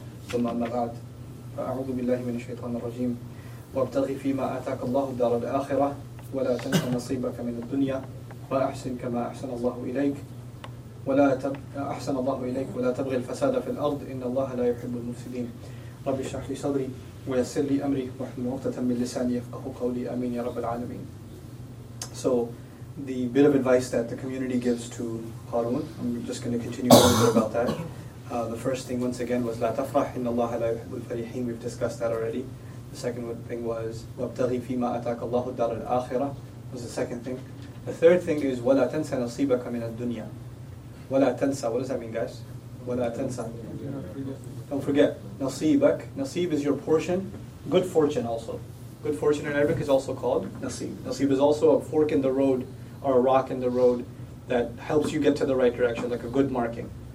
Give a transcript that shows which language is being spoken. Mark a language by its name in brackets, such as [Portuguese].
[Arabic] ثم أما بعد، فأعوذ بالله من الشيطان الرجيم. وابتغ فيما آتاك الله الدار الآخرة ولا تنس نصيبك من الدنيا وأحسن كما أحسن الله إليك ولا أحسن الله إليك ولا تبغي الفساد في الأرض إن الله لا يحب المفسدين. رب اشرح لي صدري ويسر لي أمري واحلل عقدة من لساني يفقهوا قولي آمين يا رب العالمين. [English] So the bit of advice that the community gives to Harun, I'm just going to continue a little bit about that. The first thing once again was [Arabic] لا تفرح إن الله لا يحب الفريحين. [English] We've discussed that already. The second thing was [Arabic] وابتغي فيما أتاك الله الدار الآخرة, [English] was the second thing. The third thing is [Arabic] ولا تنسى نصيبك من الدنيا. ولا تنسى, [English] what does that mean guys? ولا تنسى, don't forget. نصيبك, نصيب is your portion. Good fortune also. Good fortune in Arabic is also called nasib. Nasib is also a fork in the road or a rock in the road that helps you get to the right direction, like a good marking.